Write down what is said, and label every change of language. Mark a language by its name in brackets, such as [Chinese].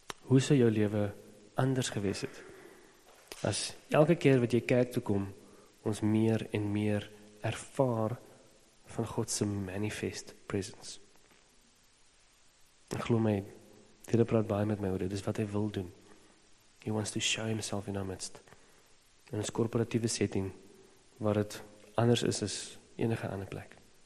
[Afrikaans] Hoe sou jou lewe anders gewees het as elke keer wat jy kerk toe kom, ons meer en meer ervaar van God se manifest presence? Ek glo my, dit praat baie met my oor dit, dis wat hy wil doen. [English] He wants to show himself in our midst. [Afrikaans] In 'n korporatiewe setting, waar het anders is as enige ander plek.